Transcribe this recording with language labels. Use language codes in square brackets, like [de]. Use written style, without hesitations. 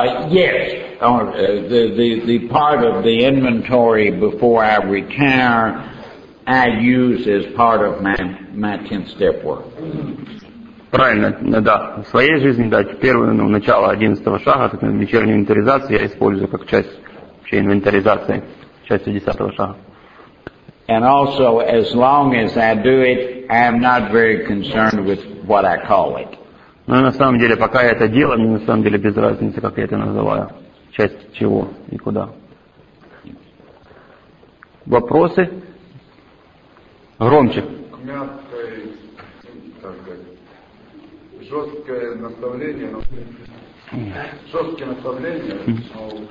[en] Yes, the part of the inventory before I retire, I use as part of my 10th step work. [ru] Правильно, да. В своей жизни, да, первое, ну, начало 11-го шага, так, вечернюю инвентаризацию я использую как часть вообще инвентаризации, частью 10-го шага. [en] And also, as long as I do it, I am not very concerned with what I call it. [ru] Но на самом деле, пока я это делаю, мне на самом деле без разницы, как я это называю. Часть чего и куда. Вопросы? Громче. Мягкое, так сказать, жесткое наставление, но жесткое наставление, но